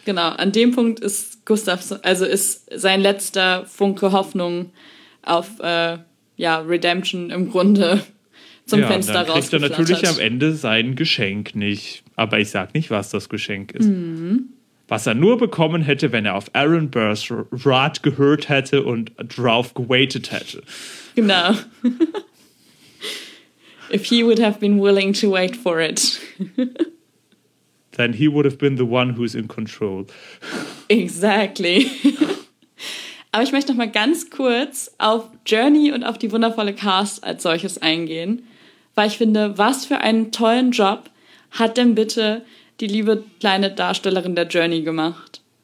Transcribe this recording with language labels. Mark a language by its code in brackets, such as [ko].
[de] Genau, an dem Punkt ist Gustafsson, also ist sein letzter Funke Hoffnung auf Redemption im Grunde zum Fenster rausgeflattert. Ja, dann kriegt er natürlich am Ende sein Geschenk nicht. Aber ich sag nicht, was das Geschenk ist. Was er nur bekommen hätte, wenn er auf Aaron Burrs Rat gehört hätte und drauf gewaitet hätte. Genau. [en] If he would have been willing to wait for it. Then he would have been the one who's in control. Exactly. [de] Aber ich möchte noch mal ganz kurz auf Journey und auf die wundervolle Cast als solches eingehen. Weil ich finde, was für einen tollen Job hat denn bitte die liebe kleine Darstellerin der Journey gemacht?